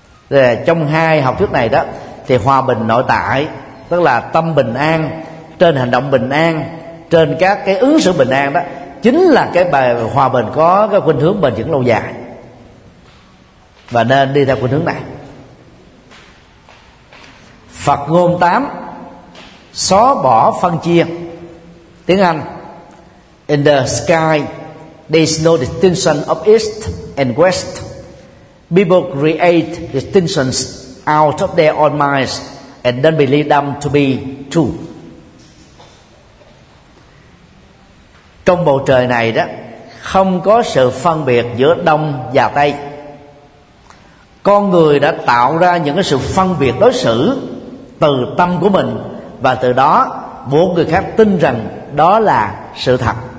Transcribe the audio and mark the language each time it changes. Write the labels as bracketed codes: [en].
[vi] Rồi trong hai học thuyết này đó thì hòa bình nội tại, tức là tâm bình an trên hành động bình an, trên các cái ứng xử bình an đó, chính là cái bài hòa bình có cái khuynh hướng bền vững lâu dài, và nên đi theo khuynh hướng này. Phật ngôn 8, xóa bỏ phân chia. Tiếng Anh: [en] In the sky there is no distinction of east and west. People create distinctions out of their own minds and then believe them to be true. [vi] Trong bầu trời này đó, không có sự phân biệt giữa đông và tây. Con người đã tạo ra những cái sự phân biệt đối xử từ tâm của mình, và từ đó buộc người khác tin rằng đó là sự thật.